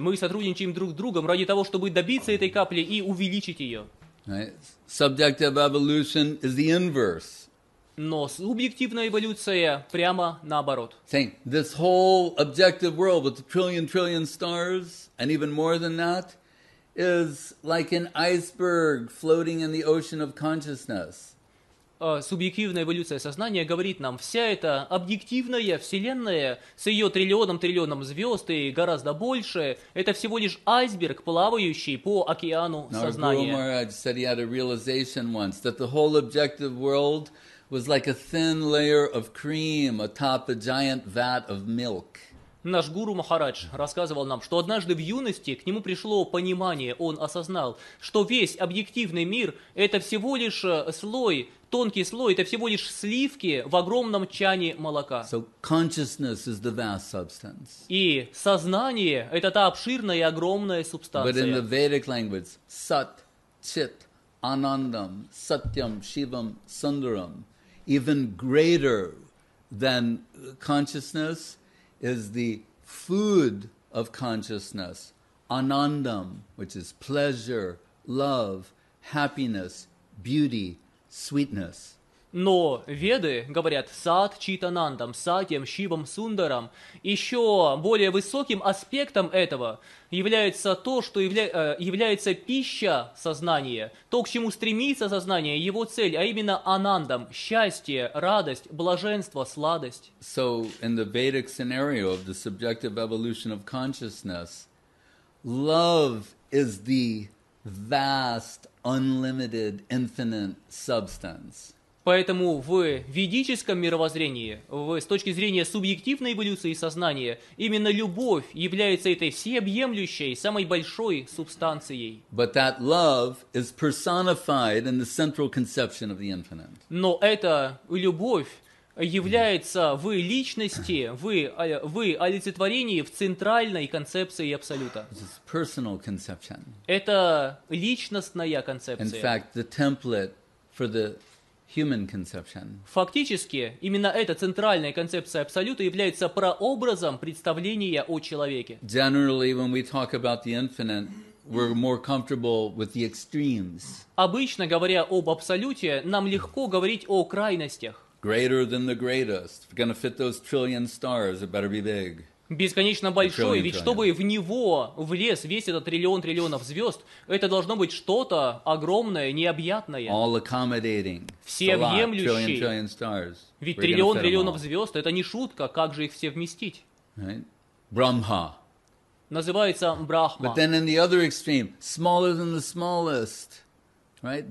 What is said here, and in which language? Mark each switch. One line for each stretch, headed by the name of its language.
Russian: Мы сотрудничаем друг с другом ради того, чтобы добиться этой капли и увеличить ее.
English: Right. Subjective evolution is the inverse.
Russian: Но субъективная эволюция прямо наоборот.
English: Saying, this whole objective world with trillion stars and even more than that is like an iceberg floating in the ocean of consciousness.
Russian: Субъективная эволюция сознания говорит нам, вся эта объективная вселенная с ее триллионом звезд и гораздо больше, это всего лишь айсберг, плавающий по океану сознания.
English: Now, Guru Maharaj said he had a realization once that the whole objective world was like a thin layer of cream atop a giant vat of milk.
Russian: Наш гуру Махарадж рассказывал нам, что однажды в юности к нему пришло понимание, он осознал, что весь объективный мир – это всего лишь слой, тонкий слой, это всего лишь сливки в огромном чане молока.
English: So consciousness is the vast substance.
Russian: И сознание – это та обширная и огромная субстанция.
English: But in the Vedic language –
Sanskrit: Sat, Chit, Anandam, Satyam, Shivam, Sundaram
English: – even greater than consciousness is the food of consciousness, anandam, which is pleasure, love, happiness, beauty, sweetness.
Russian: Но веды говорят
Sanskrit: сад читанандам, сатьям, шивам, сундарам.
Russian: Еще более высоким аспектом этого является то, что является пища сознания, то, к чему стремится сознание, его цель, а именно анандам, счастье, радость, блаженство, сладость.
English: So in the Vedic scenario of the subjective evolution of consciousness, love is the vast, unlimited, infinite substance.
Russian: Поэтому в ведическом мировоззрении, с точки зрения субъективной эволюции сознания, именно любовь является этой всеобъемлющей, самой большой субстанцией.
English: But that love is personified in the central conception of the infinite.
Russian: Но эта любовь является в личности, в олицетворении, в центральной концепции Абсолюта.
English: It's personal conception.
Russian: Это личностная концепция.
English: In fact, the template for the human conception.
Russian: Фактически, именно эта центральная концепция Абсолюта является прообразом представления о человеке.
English: Generally, when we talk about the infinite, we're more comfortable with the extremes.
Russian: Обычно, говоря об Абсолюте, нам легко говорить о крайностях.
English: Greater than the greatest. If you're gonna fit those trillion stars, it better be big.
Russian: Бесконечно большой, ведь чтобы в него влез весь этот триллион триллионов звезд, это должно быть что-то огромное, необъятное.
English: All accommodating.
Russian: Всеобъемлющий. Ведь триллион триллионов звезд — это не шутка, как же их все вместить? Брахма. Называется Брахма.
English: But then in the other extreme, smaller than the smallest, right?